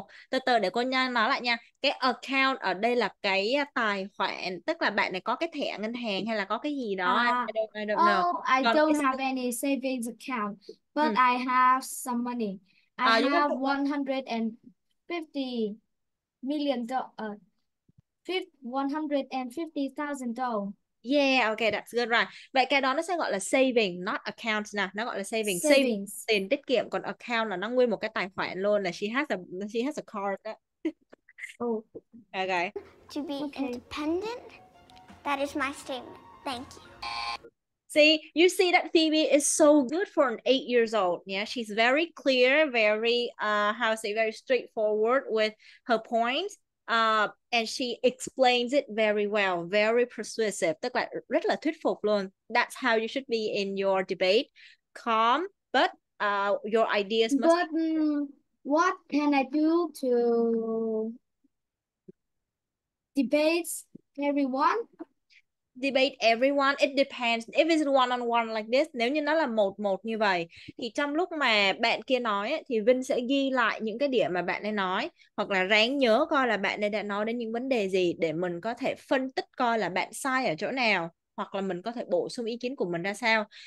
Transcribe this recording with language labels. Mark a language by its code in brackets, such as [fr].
[vi] Từ từ để cô nhanh nói lại nha. Cái account ở đây là cái tài khoản, tức là bạn này có cái thẻ ngân hàng hay là có cái gì đó. [en] I don't have any savings account, but I have some money. I have 150,000 dollars. Yeah, okay, that's good, right? [vi] Vậy cái đó nó sẽ gọi là saving, not account nè. Nó gọi là saving. [en] Savings. [vi] Tiền tiết kiệm, còn account là nó nguyên một cái tài khoản luôn. Là [en] she has a card [vi] đó. [en] Oh. Okay. To be independent, that is my statement. Thank you. You see that Phoebe is so good for an 8 years old. Yeah, she's very clear, very straightforward with her point. And she explains it very well, very persuasive, [vi] tức là rất là thuyết phục luôn. [en] That's how you should be in your debate. Calm, but your ideas must... But what can I do to debate everyone? It depends. If it's one-on-one like this, [vi] nếu như nó là một-một như vậy, thì trong lúc mà bạn kia nói ấy, thì Vinh sẽ ghi lại những cái điểm mà bạn ấy nói, hoặc là ráng nhớ coi là bạn ấy đã nói đến những vấn đề gì để mình có thể phân tích coi là bạn sai ở chỗ nào, hoặc là mình có thể bổ sung ý kiến của mình ra sao.